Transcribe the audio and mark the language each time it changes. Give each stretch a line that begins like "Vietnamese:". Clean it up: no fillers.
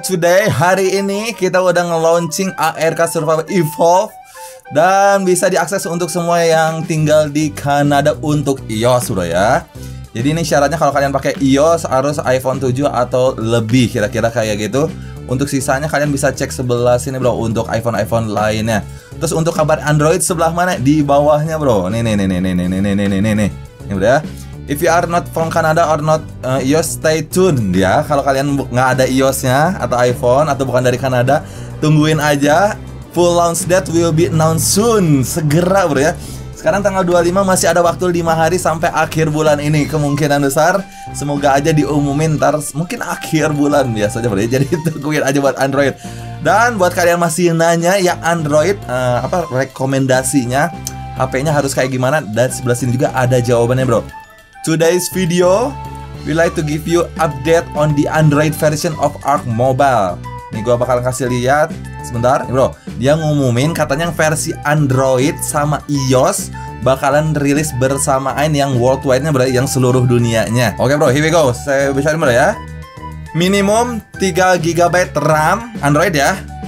English: Today,
Indonesian: hari ini kita udah nge-launching ARK Survival Evolved dan bisa diakses untuk semua yang tinggal di Kanada untuk iOS bro ya. Jadi ini syaratnya kalau kalian pakai iOS harus iPhone 7 atau lebih, kira-kira kayak gitu. Untuk sisanya kalian bisa cek sebelah sini bro, untuk iPhone-iPhone lainnya. Terus untuk kabar Android sebelah mana? Di bawahnya bro. Nih. Ini bro ya.
English: If you are not from Canada or not iOS, stay tuned
Indonesian: ya. Kalau kalian nggak ada iOS-nya atau iPhone atau bukan dari Kanada, tungguin aja.
English: Full launch date will be announced soon.
Indonesian: Segera bro ya. Sekarang tanggal 25, masih ada waktu 5 hari sampai akhir bulan ini. Kemungkinan besar, semoga aja diumumin ntar mungkin akhir bulan biasanya bro ya. Jadi tungguin aja buat Android. Dan buat kalian masih nanya ya Android, apa rekomendasinya, HP-nya harus kayak gimana, dan sebelah sini juga ada jawabannya bro.
English: Today's video, we like to give you update on the Android version of ARK Mobile.
Indonesian: Ini gue bakal kasih lihat. Sebentar, bro. Dia ngumumin katanya versi Android sama iOS bakalan rilis bersamaan yang worldwide-nya bro, yang seluruh dunianya. Oke bro,
English: here we go.
Indonesian: Saya bicarain bro ya. Minimum 3GB RAM Android ya.